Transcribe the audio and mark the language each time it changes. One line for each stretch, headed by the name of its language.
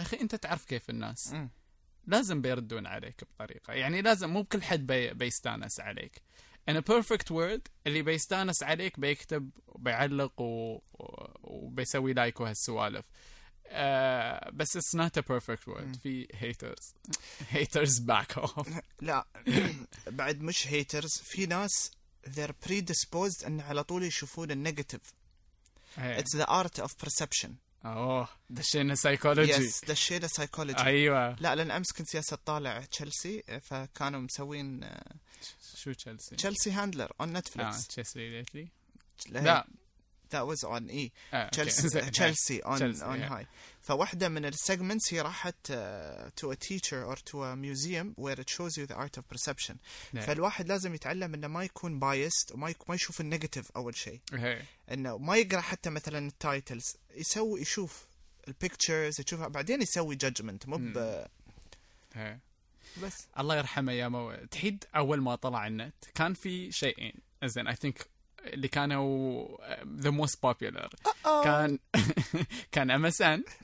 Arabic: اخي انت تعرف كيف الناس لازم بيردون عليك بطريقة يعني لازم مو بكل حد بيستانس عليك. In a perfect world اللي بيستانس عليك بيكتب وبيعلق وبيسوي لايك وهالسوالف.
English: بس it's not a perfect world. في haters back off.
Arabic: لا بعد مش haters في ناس they're predisposed ان على طول يشوفون النيجاتيف.
English: It's the art of perception.
Arabic: دشينا سايكولوجي. يس دشينا سايكولوجي. ايوه لا لان امس كنت ياسا طالع تشيلسي فكانوا مسوين شو تشيلسي؟ تشيلسي هاندلر on Netflix. تشيلسي ليتلي؟
English: لا. That was on E. Chelsea on high. فواحدة من السيجمنتس هي راحت to a teacher or to a museum where it shows you the art of perception.
Arabic: فالواحد لازم يتعلم انه ما يكون biased وما يشوف النيجاتيف اول شيء. انه ما يقرأ حتى مثلا التايتلز. يشوف البيكتشرز يشوفها بعدين يسوي judgment. بس الله يرحمه يا مو تحيد اول ما طلع النت كان في شيئين زين اي ثينك اللي كانوا ذا موست بوبولار كان كان MSN